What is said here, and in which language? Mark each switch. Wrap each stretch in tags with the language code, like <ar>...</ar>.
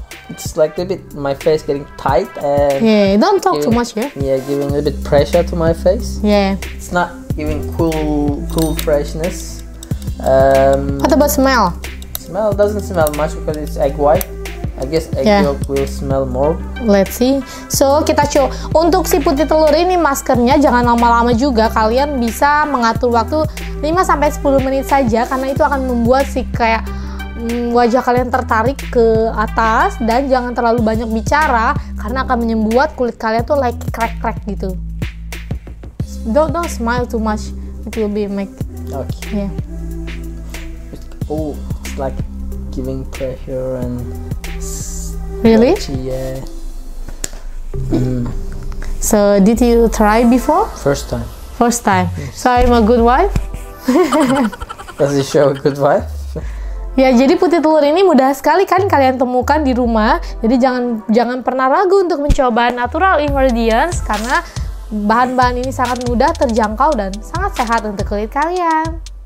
<en>It's like a bit my face getting tight and yeah. Don't talk too much, yeah. Yeah, giving a bit pressure to my face. Yeah. It's not giving cool freshness. What about smell? Smell doesn't smell much because it's egg white. I guess egg yolk will smell more. Let's see.</en> <id>So kita coba untuk si putih telur ini maskernya jangan lama-lama juga. Kalian bisa mengatur waktu 5-10 menit saja karena itu akan membuat si kayak wajah kalian tertarik ke atas, dan jangan terlalu banyak bicara karena akan membuat kulit kalian tuh</id> <en>like crack</en> <id>gitu.</id> <en>Don't smile too much. It will be make. Okay. Yeah. It's like giving pressure and really? Yeah. So did you try before? First time. First time. Yes. So I'm a good wife. Does it show a good wife?</en> <id>Ya, jadi putih telur ini mudah sekali kan kalian temukan di rumah. Jadi jangan pernah ragu untuk mencoba natural ingredients karena bahan-bahan ini sangat mudah terjangkau dan sangat sehat untuk kulit kalian.</id>